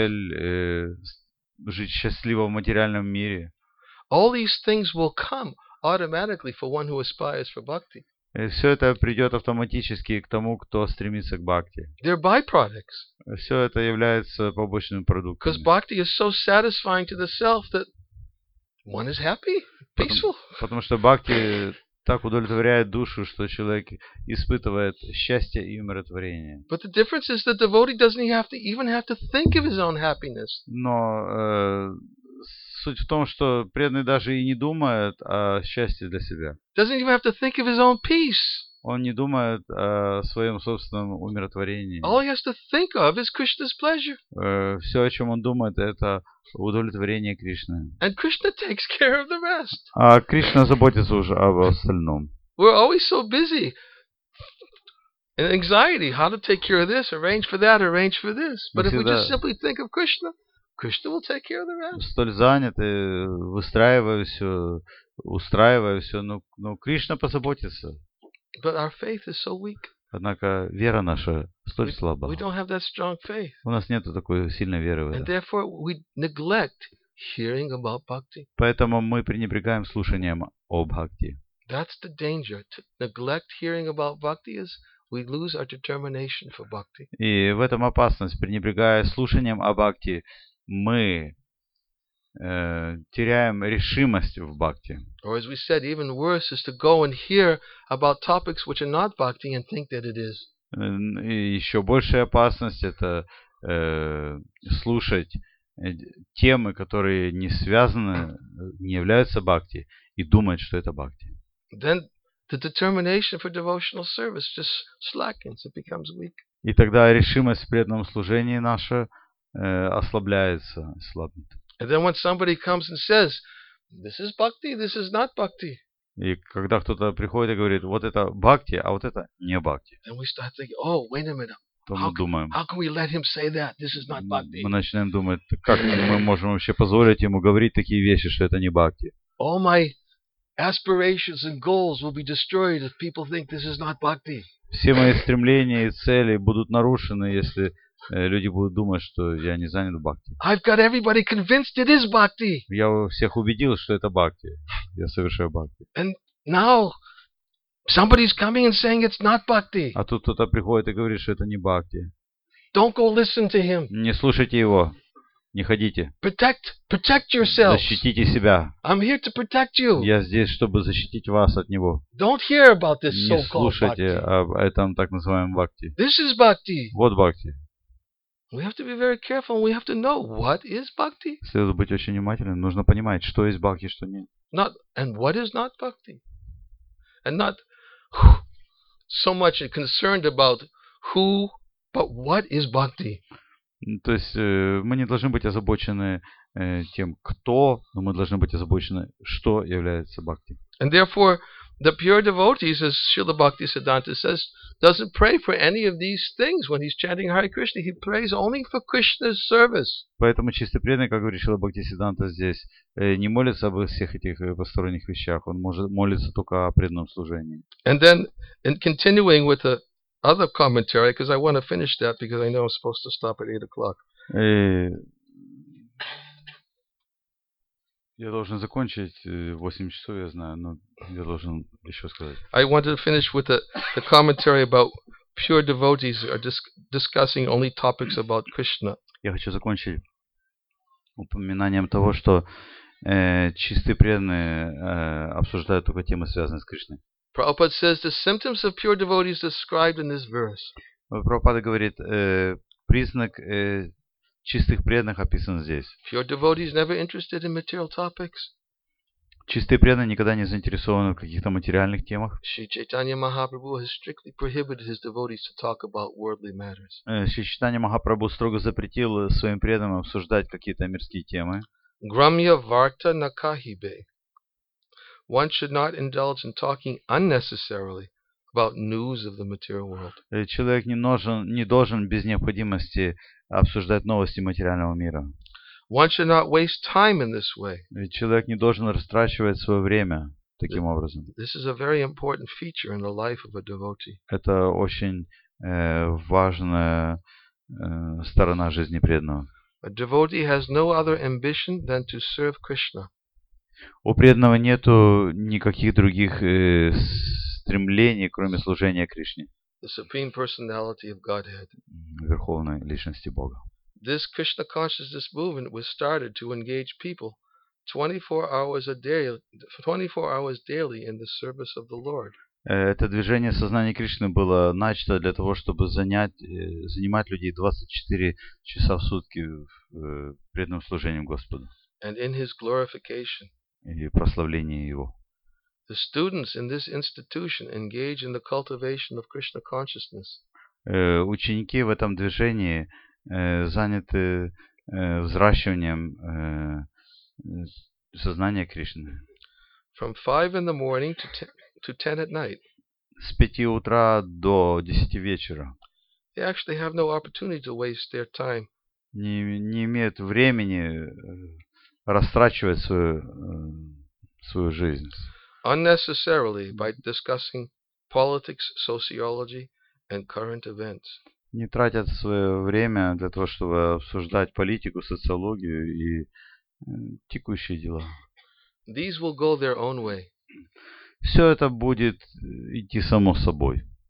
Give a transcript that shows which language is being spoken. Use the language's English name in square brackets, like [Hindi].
[Russian] Цель жить счастливо в материальном мире. [English] All these things will come automatically for one who aspires for bhakti. [Russian] Все это придет автоматически к тому, кто стремится к бхакти. [English] They're byproducts. [Russian] Все это является побочным продуктом. [English] Because bhakti is so satisfying to the self that one is happy, peaceful. [Russian] Потому что бхакти так удовлетворяет душу, что человек испытывает счастье и умиротворение. [English] But the difference is that the devotee doesn't have to even have to think of his own happiness. [Russian] Но суть в том, что преданный даже и не думает о счастье для себя. [English] Doesn't even have to think of his own peace. [Russian] Он не думает о своем собственном умиротворении. [English] All he has to think of is Krishna's pleasure. [Russian] Все, о чем он думает, это удовлетворение Кришны. [English] And Krishna takes care of the rest. [Russian] А Кришна заботится уже об остальном. [English] We're always so busy. And anxiety, how to take care of this, arrange for that, arrange for this. But if we just simply think of Krishna, Krishna will take care of the rest. [Russian] Столь заняты, выстраивая все, устраивая все, но Кришна позаботится. [English] But our faith is so weak. [Russian] Однако вера наша столь слаба. [English] We don't have that strong faith. [Russian] У нас нет такой сильной веры в это. [English] And therefore we neglect hearing about bhakti. [Russian] Поэтому мы пренебрегаем слушанием о бхакти. [English] That's the danger. To neglect hearing about bhakti is we lose our determination for bhakti. [Russian] И в этом опасность, пренебрегая слушанием о бхакти, мы теряем решимость в бхакти. [English] Or as we said, even worse is to go and hear about topics which are not bhakti and think that it is. [Russian] Еще большая опасность это слушать темы, которые не связаны, не являются бхакти, и думать, что это бхакти. [English] Then the determination for devotional service just slackens, it becomes weak. [Russian] И тогда решимость в преданном служении наша ослабляется, слабнет. [English] And then when somebody comes and says, this is bhakti, this is not bhakti. [Russian] И когда кто-то приходит и говорит, вот это бхакти, а вот это не бхакти. [English] Then we start thinking, oh, wait a minute. How can we let him say that? This is not bhakti. [Russian] Мы начинаем думать, как мы можем вообще позволить ему говорить такие вещи, что это не бхакти. [English] All my aspirations and goals will be destroyed if people think this is not bhakti. [Russian] Все мои стремления и цели будут нарушены, если люди будут думать, что я не занят бхакти. [English] I've got everybody convinced it is bhakti. [Russian] Я всех убедил, что это бхакти. Я совершаю бхакти. [English] And now somebody's coming and saying it's not bhakti. [Russian] А тут кто-то приходит и говорит, что это не бхакти. [English] Don't go listen to him. [Russian] Не слушайте его. Не ходите. [English] Protect yourself. [Russian] Защитите себя. [English] I'm here to protect you. [Russian] Я здесь, чтобы защитить вас от него. [English] Don't hear about this so-called bhakti. [Russian] Не слушайте об этом так называемом бхакти. [English] This is bhakti. [Russian] Вот бхакти. [English] We have to be very careful and we have to know what is bhakti. [Russian] Следует быть очень внимательным, нужно понимать, что есть бхакти, что нет. [English] Not and what is not bhakti. And not so much concerned about who, but what is bhakti. [Russian] То есть мы не должны быть озабочены тем, кто, но мы должны быть озабочены, что является бхакти. [English] And therefore the pure devotee, as Srila Bhaktisiddhanta says, doesn't pray for any of these things when he's chanting Hare Krishna. He prays only for Krishna's service. [Russian] Поэтому чистый преданный, как говорит Шрила Бхактисиддханта здесь, не молится обо всех этих посторонних вещах. Он может молиться только о преданном служении. [English] And then, in continuing with the other commentary, because I want to finish that, because I know I'm supposed to stop at 8:00. [Russian] Я должен закончить 8 часов, я знаю, но я должен еще сказать. [English] I wanted to finish with the commentary about pure devotees are discussing only topics about Krishna. [Russian] Я хочу закончить упоминанием того, что чистые преданные обсуждают только темы, связанные с Кришной. [English] Prabhupada says the symptoms of pure devotees described in this verse. [Russian] Прабхупада говорит, признак чистых преданных описан здесь. [English] Pure devotees never interested in material topics. [Russian] Чистые преданные никогда не заинтересованы в каких-то материальных темах. [English] Шри Чайтанья Махапрабху has strictly prohibited his devotees to talk about worldly matters. [Russian] Шри Чайтанья Махапрабху строго запретил своим преданным обсуждать какие-то мирские темы. [Bangla] Грамья варта накахибе. [English] One should not indulge in talking unnecessarily about news of the material world. [Russian] Человек не должен без необходимости обсуждать новости материального мира. [English] One should not waste time in this way. [Russian] Человек не должен растрачивать свое время таким образом. [English] This is a very important feature in the life of a devotee. [Russian] Это очень важная сторона жизни преданного. [English] A devotee has no other ambition than to serve Krishna. [Russian] У преданного нету никаких других стремлений, кроме служения Кришне. [English] The supreme personality of Godhead. [Russian] Верховной личности Бога. [English] This Krishna consciousness movement was started to engage people 24 hours daily in the service of the Lord. [Russian] Это движение сознания Кришны было начато для того, чтобы занимать людей 24 часа в сутки преданным служением Господу. [English] And in his glorification. [Russian] И прославление его. [English] The students in this institution engage in the cultivation of Krishna consciousness. [Russian] Ученики в этом движении заняты взращиванием сознания Кришны. [English] From 5 in the morning to 10 at night. [Russian] С 5 утра до 10 вечера. [English] They actually have no opportunity to waste their time. [Russian] Не имеют времени растрачивать свою жизнь. [English] Unnecessarily by discussing politics, sociology and current events. [Russian] Не тратят свое время для того, чтобы обсуждать политику, социологию и текущие дела. [English] These will go their own way. [Russian] Все это будет идти само собой.